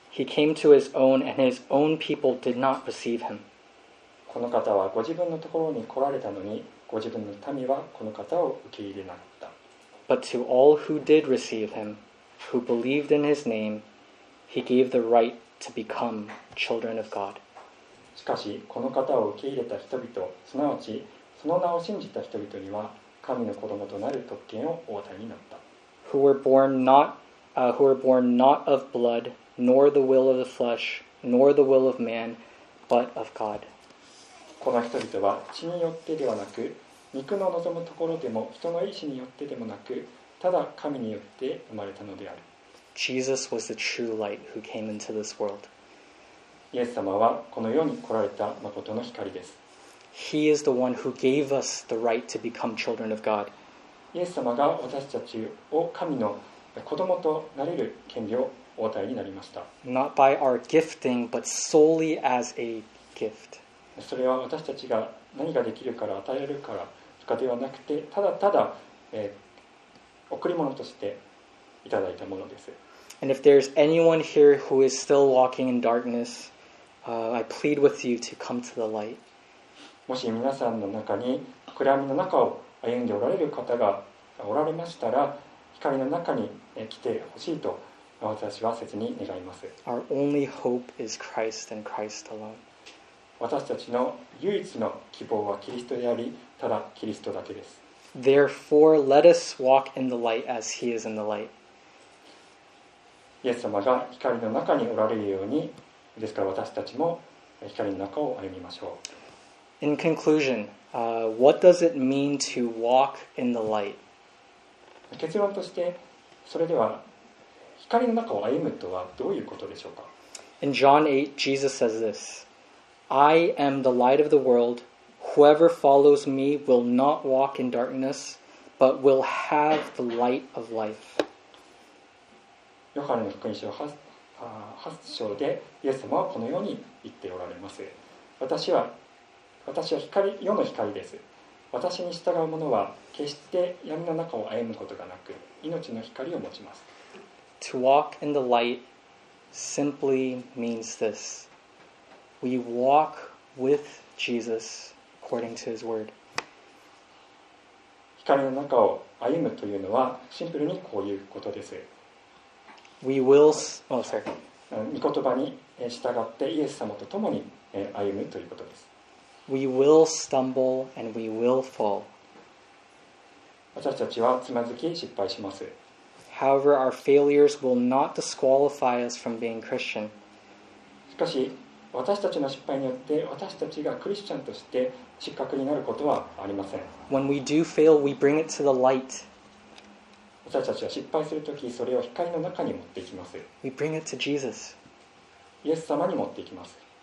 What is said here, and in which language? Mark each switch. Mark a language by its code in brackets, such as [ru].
[en] He came to his own, and his own people did not receive him. [ja] この方はご自分のところに来られたのに、ご自分の民はこの方を受け入れなかった。 [en] But to all who did receive him, who believed in his name, he gave the right to become children of God. [ja] しかし、この方を受け入れた人々、すなわち、その名を信じた人々には、神の子供となる特権をお与えになった。 [en] Who were born not of blood, nor the will of the flesh, nor the will of man, but of God. [ja] この人々は血によってではなく、肉の望むところでも、人の意志によってでもなく、ただ神によって生まれたのである。 [en] Jesus was the true light who came into this world. [ja] イエス様はこの世に来られた誠の光です。 [en] He is the one who gave us the right to become children of God. [ja] イエス様が私たちを神の子供となれる権利をお与えになりました。 [en] Not by our gifting, but solely as a gift. [ja] それは私たちが何ができるから与えるからとかではなくて、ただただ、贈り物としていただいたものです。 [en] And if there's anyone here who is still walking in darkness, I plead with you to come to the light. [ja] もし皆さんの中に暗闇の中を歩んでおられる方がおられましたら、光の中に来てほしいと私は切に願います。 [en] Our only hope is Christ and Christ alone. [ja] 私たちの唯一の希望はキリストであり、ただキリストだけです。 [en] Therefore, let us walk in the light as He is in the light. [ja] イエス様が光の中におられるように、ですから私たちも光の中を歩みましょう。 [en] In conclusion, what does it mean to walk in the light? [ja] 結論として、それでは光光の中を歩むとはどういうことでしょうか。 [en] In John 8, Jesus says this, I am the light of the world. Whoever follows me will not walk in darkness, but will have the light of life. [ja] ヨハネの福音書8章でイエス様はこのように言っておられます。私は光、世の光です。私に従う者は決して闇の中を歩むことがなく命の光を持ちます。 [en] To walk in the light simply means this. We walk with Jesus according to his word. [ja] 光の中を歩むというのはシンプルにこういうことです。 [en] We will... Oh, sorry. [ja] 御言葉に従ってイエス様と共に歩むということです。 [en] We will stumble and we will fall. [ja] 私たちはつまずき失敗します。 [en] However, our failures will not disqualify us from being Christian. [ja] しかし、私たちの失敗によって私たちがクリスチャンとして失格になることはありません。 [en] When we do fail, we bring it to the light. [ja] 私たちは失敗するときそれを光の中に持っていきます。 [en] We bring it to Jesus. [ja] イエス様に持っていきます。